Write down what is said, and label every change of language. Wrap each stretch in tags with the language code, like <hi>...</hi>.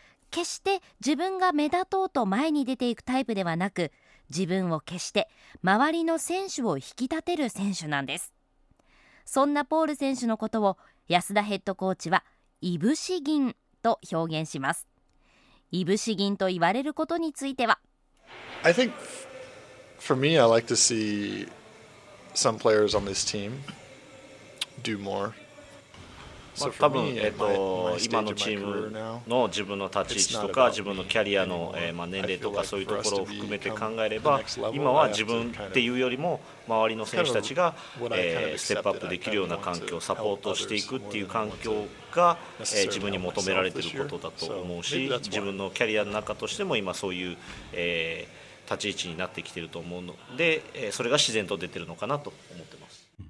<ja>決して自分が目立とうと前に出ていくタイプではなく、自分を消して周りの選手を引き立てる選手なんです。そんなポール選手のことを安田ヘッドコーチはいぶし銀と表現します。いぶし銀と言われることについては、</ja> <en>I think for me I like to see some players on this team do more。</en> <ja>まあ、多分今のチームの自分の立ち位置とか自分のキャリアの年齢とかそういうところを含めて考えれば、今は自分っていうよりも周りの選手たちがステップアップできるような環境、サポートしていくっていう環境が自分に求められていることだと思うし、自分のキャリアの中としても今そういう立ち位置になってきていると思うので、それが自然と出ているのかなと思ってます。</ja>